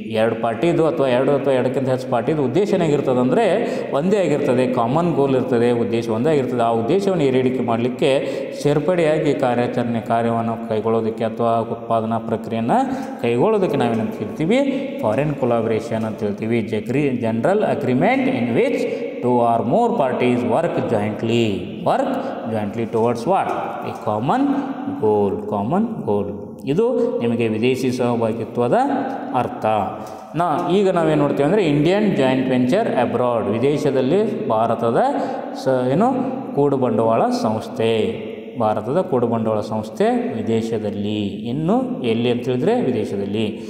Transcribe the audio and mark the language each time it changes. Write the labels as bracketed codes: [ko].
[kn] ಎರಡು ಪಾರ್ಟಿದು ಅಥವಾ ಎರಡು ಅಥವಾ ಎರಡಕ್ಕಿಂತ ಹೆಚ್ಚು ಪಾರ್ಟಿದು ಉದ್ದೇಶ ಏನಾಗಿರ್ತದೆ ಅಂದರೆ ಒಂದೇ ಆಗಿರ್ತದೆ, ಕಾಮನ್ ಗೋಲ್ ಇರ್ತದೆ, ಉದ್ದೇಶ ಒಂದೇ ಆಗಿರ್ತದೆ. ಆ ಉದ್ದೇಶವನ್ನು ಈಡೇರಿಕೆ ಮಾಡಲಿಕ್ಕೆ ಸೇರ್ಪಡೆಯಾಗಿ ಕಾರ್ಯಾಚರಣೆ ಕಾರ್ಯವನ್ನು ಕೈಗೊಳ್ಳೋದಕ್ಕೆ ಅಥವಾ ಉತ್ಪಾದನಾ ಪ್ರಕ್ರಿಯೆಯನ್ನು ಕೈಗೊಳ್ಳೋದಕ್ಕೆ ನಾವೇನಂತ ಕರಿತೀವಿ, ಫಾರಿನ್ ಕೊಲಾಬರೇಷನ್ ಅಂತ ಹೇಳ್ತೀವಿ. [en] General agreement in which two or more parties work jointly towards what, a common goal. [kn] ಇದು ನಿಮಗೆ ವಿದೇಶಿ ಸಹಭಾಗಿತ್ವದ ಅರ್ಥ. ಈಗ ನಾವೇನು ನೋಡ್ತೀವಿ ಅಂದರೆ [en] Indian joint venture abroad, [kn] ವಿದೇಶದಲ್ಲಿ ಭಾರತದ ಏನು ಕೂಡು ಬಂಡವಾಳ ಸಂಸ್ಥೆ, ಭಾರತದ ಕೂಡು ಬಂಡವಾಳ ಸಂಸ್ಥೆ ವಿದೇಶದಲ್ಲಿ, ಇನ್ನು ಎಲ್ಲಿ ಅಂತೇಳಿದರೆ ವಿದೇಶದಲ್ಲಿ.